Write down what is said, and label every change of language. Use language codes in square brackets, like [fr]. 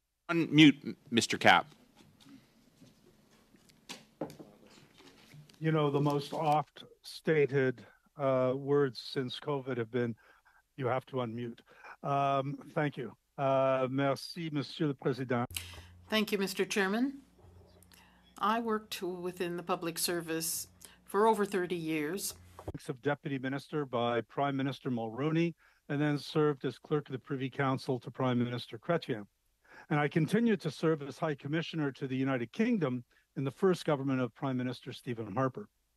[en] Unmute, Mr. Capp. You know, the most oft stated words since COVID have been, you have to unmute. Thank you. [fr] Merci, Monsieur le Président. [en] Thank you, Mr. Chairman. I worked within the public service for over 30 years. Thanks of Deputy Minister by Prime Minister Mulroney, and then served as Clerk of the Privy Council to Prime Minister Chrétien. And I continued to serve as High Commissioner to the United Kingdom in the first government of Prime Minister Stephen Harper.